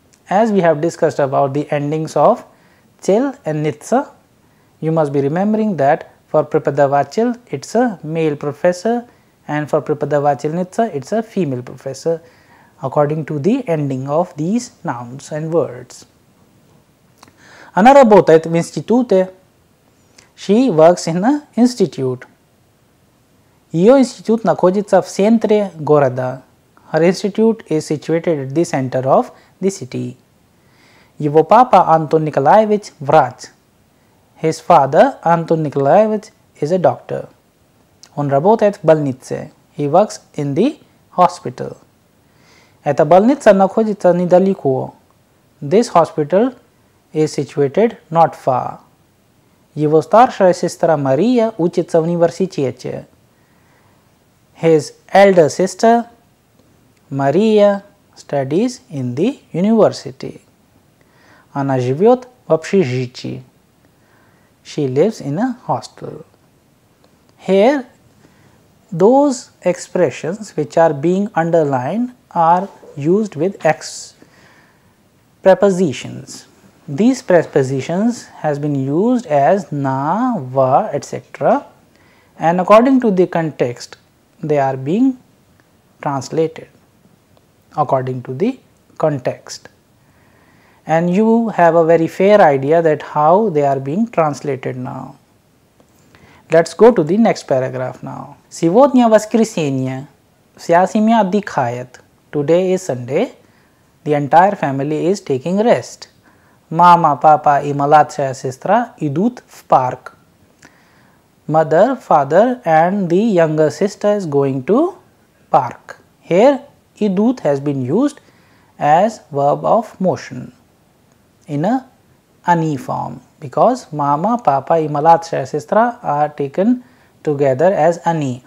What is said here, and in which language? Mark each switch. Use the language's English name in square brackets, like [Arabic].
[English] As we have discussed about the endings of chel and nitsa, you must be remembering that for prepadavachil, it's a male professor, and for prepadavachilnitsa, it's a female professor, according to the ending of these nouns and words. [Russian] Она работает в институте. [English] She works in an institute. [Russian] Её институт находится в центре города. [English] Her institute is situated at the center of the city. [Russian] Его папа Антон Николаевич врач. [English] His father Антон Николаевич is a doctor. [Russian] Он работает в больнице. [English] He works in the hospital. [Russian] Эта больница находится недалеко. [English] This hospital is situated not far. [Russian] Его старшая сестра Мария учится в университете. [English] His elder sister Мария studies in the university. [Russian] Она живет в общежитии. [English] She lives in a hostel. Here, those expressions which are being underlined are used with X prepositions. These prepositions has been used as na, va, etc. And according to the context, they are being translated according to the context. And you have a very fair idea that how they are being translated now. Let's go to the next paragraph now. [Russian] Сегодня воскресенье. Вся семья отдыхает. [English] Today is Sunday. The entire family is taking rest. [Russian] Мама, папа и младшая сестра идут в парк. [English] Mother, father and the younger sister is going to park. Here, идут has been used as verb of motion in a ani form, because mama, papa and [Russian] младшая сестра [English] are taken together as ani.